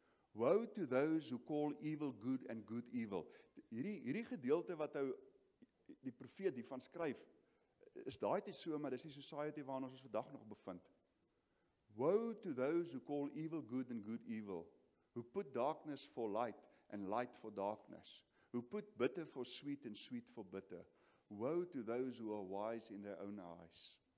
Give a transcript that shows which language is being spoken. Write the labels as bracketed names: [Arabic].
[English] Woe to those who call evil good and good evil. [Afrikaans] Hierdie gedeelte wat hy, die profeet hiervan skryf, is daai tyd so, maar dis nie society waarin ons vandag nog bevind. [English] Woe to those who call evil good and good evil, who put darkness for light and light for darkness, who put bitter for sweet and sweet for bitter. Woe to those who are wise in their own eyes.